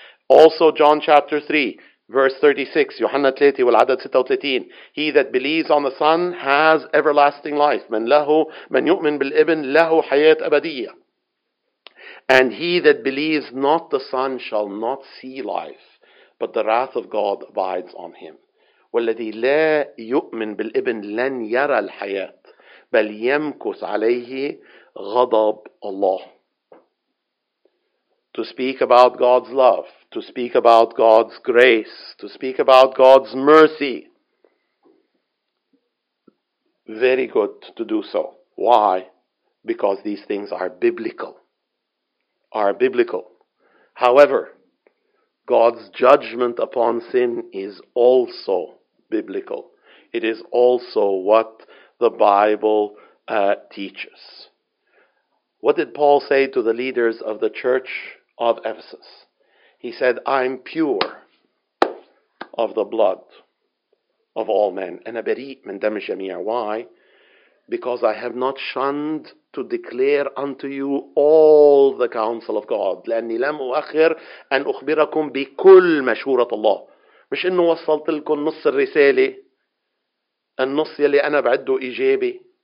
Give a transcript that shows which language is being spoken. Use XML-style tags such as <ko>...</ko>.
<en>Also John chapter 3, verse 36,</en> <ar>يوحنا 3 والعدد 36,</ar> <en>he that believes on the Son has everlasting life,</en> <ar>من يؤمن بالابن له حياة أبدية.</ar> <en>And he that believes not the Son shall not see life, but the wrath of God abides on him.</en> <ar>والذي لا يؤمن بالابن لن يرى الحياة, بل يمكث عليه غضب الله.</ar> <en>To speak about God's love, to speak about God's grace, to speak about God's mercy, very good to do so. Why? Because these things are biblical. However, God's judgment upon sin is also biblical. It is also what the Bible teaches. What did Paul say to the leaders of the church of Ephesus? He said, I'm pure of the blood of all men.</en> <ar>أنا بريء من دم الجميع.</ar> <en>Why? Because I have not shunned to declare unto you all the counsel of God.</en> <ar>لأني لم أؤخر أن أخبركم بكل مشورة الله. مش إنه وصلت لكم نص الرسالة, النص يلي أنا بعده إيجابي.</ar>